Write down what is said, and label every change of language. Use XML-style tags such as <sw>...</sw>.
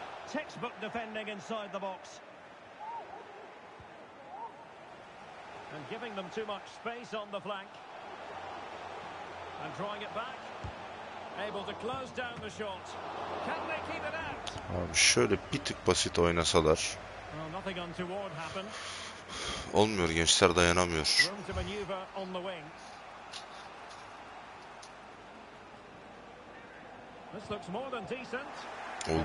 <en>Textbook defending inside the box. And giving them too much space on the flank. And drawing it back. Able to close down the shot. Can they keep it out?</en> <tr>Abi şöyle bir tık basit oynasalar.</tr> <en>Well, nothing untoward happened.</en> <tr>Olmuyor, gençler dayanamıyor.</tr> <en>Room to maneuver on the wing. This looks more than decent.</en>